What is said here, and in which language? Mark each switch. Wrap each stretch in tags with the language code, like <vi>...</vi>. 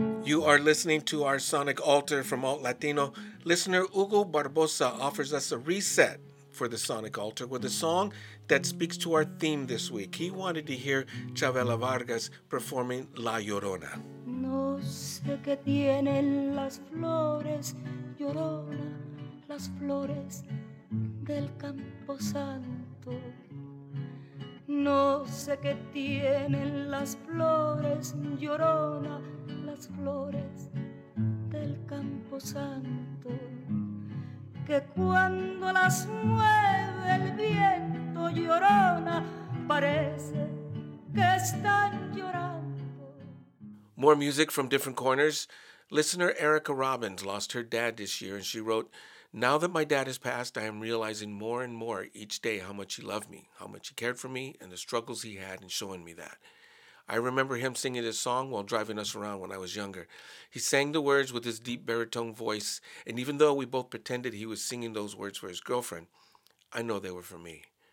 <en>You are listening to our Sonic Altar from Alt Latino. Listener Hugo Barbosa offers us a reset for the Sonic Altar with a song that speaks to our theme this week. He wanted to hear Chavela Vargas performing La Llorona.</en> <es>No sé qué tienen las flores, Llorona, las flores del Campo Santo. No sé qué tienen las flores, Llorona, las flores del Campo Santo. Que cuando las mueve el viento, Llorona, parece que están llorando.</es> <en>More music from different corners. Listener Erica Robbins lost her dad this year, and she wrote, "Now that my dad has passed, I am realizing more and more each day how much he loved me, how much he cared for me, and the struggles he had in showing me that. I remember him singing this song while driving us around when I was younger. He sang the words with his deep baritone voice, and even though we both pretended he was singing those words for his girlfriend, I know they were for me.</en>